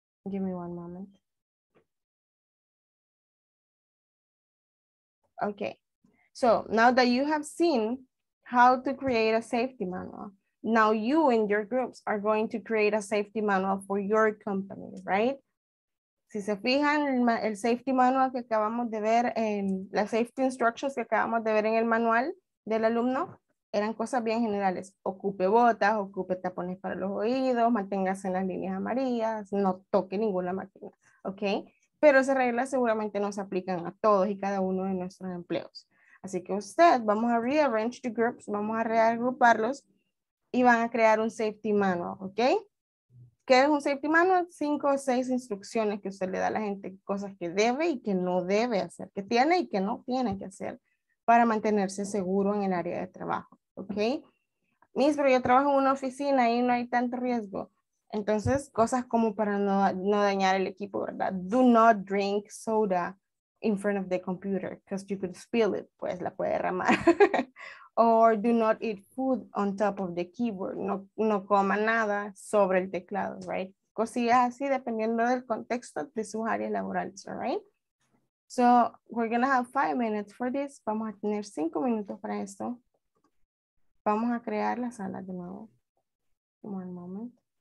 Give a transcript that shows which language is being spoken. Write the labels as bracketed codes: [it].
[en] Give me one moment. Okay, so now that you have seen how to create a safety manual, now you and your groups are going to create a safety manual for your company, right? [es] Si se fijan, el safety manual que acabamos de ver, las safety instructions que acabamos de ver en el manual del alumno, eran cosas bien generales. Ocupe botas, ocupe tapones para los oídos, manténgase en las líneas amarillas, no toque ninguna máquina, ¿ok? Pero esas reglas seguramente no se aplican a todos y cada uno de nuestros empleos. Así que usted, vamos a [en] rearrange the groups, [es] vamos a reagruparlos y van a crear un safety manual, ¿ok? ¿Qué es un safety manual? 5 o 6 instrucciones que usted le da a la gente, cosas que debe y que no debe hacer, que tiene y que no tiene que hacer para mantenerse seguro en el área de trabajo, ¿ok? Miss, pero yo trabajo en una oficina y no hay tanto riesgo. Entonces, cosas como para no dañar el equipo, ¿verdad? [en] Do not drink soda in front of the computer because you could spill it, [es] pues la puede derramar. [en] Or do not eat food on top of the keyboard. [es] No coma nada sobre el teclado, right? Cosillas así dependiendo del contexto de sus áreas laborales, all right? [en] So we're gonna have 5 minutes for this. [es] Vamos a tener 5 minutos para esto. Vamos a crear la sala de nuevo. [en] One moment.